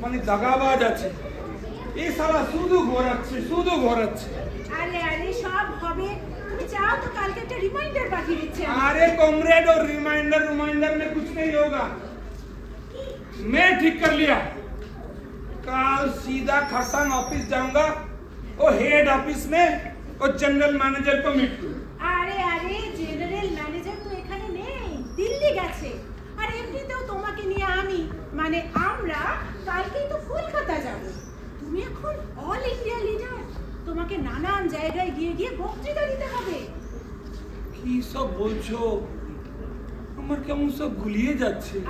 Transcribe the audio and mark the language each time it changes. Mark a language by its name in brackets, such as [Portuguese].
[Bangla] দাগাবাজ আছে, এ সারা শুধু ঘোরাচ্ছে, শুধু ঘোরাচ্ছে। আরে আরে সব হবে, তুমি [Hindi] जाओ तो कल के रिमाइंडर बाकी दीजिए। अरे कॉमरेड, और रिमाइंडर रिमाइंडर में कुछ नहीं होगा, मैं ठीक कर लिया। कल सीधा खरसांग ऑफिस जाऊंगा और हेड ऑफिस में और जनरल मैनेजर को मीट करूं। अरे अरे जनरल मैनेजर तो [Bangla] এখানে নেই, দিল্লি গেছে। আর এমনিতেও তোমাকে নিয়ে আমি মানে আমরা কালকেই তো কলকাতা যাব। তুমি এখন অল ইন্ডিয়া লিডার, তোমাকে নানান জায়গায় গিয়ে গিয়ে বক্তৃতা দিতে হবে। কি সব বলছো, আমার কেমন সব গুলিয়ে যাচ্ছে।